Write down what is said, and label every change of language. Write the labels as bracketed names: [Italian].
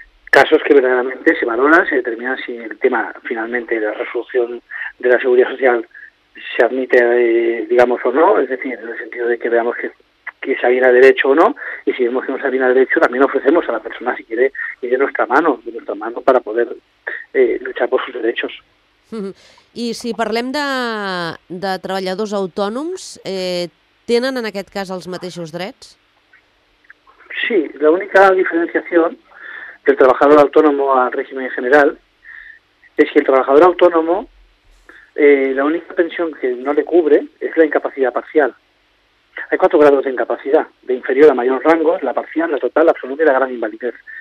[Spanish] Casos que verdaderamente se valoran, se determinan si el tema finalmente de la resolución de la Seguridad Social se admite, digamos, o no, es decir, en el sentido de que veamos que se aviene a derecho o no, y si vemos que no se aviene a derecho, también ofrecemos a la persona, si quiere, y de nuestra mano para poder luchar por sus derechos. [Catalan] I si parlem de treballadors autònoms, ¿tenen en aquest cas els mateixos drets? [Spanish] Sí, la única diferenciación del trabajador autónomo al régimen general es que el trabajador autónomo la única pensión que no le cubre es la incapacidad parcial. Hay cuatro grados de incapacidad, de inferior a mayor rango, la parcial, la total, la absoluta y la gran invalidez.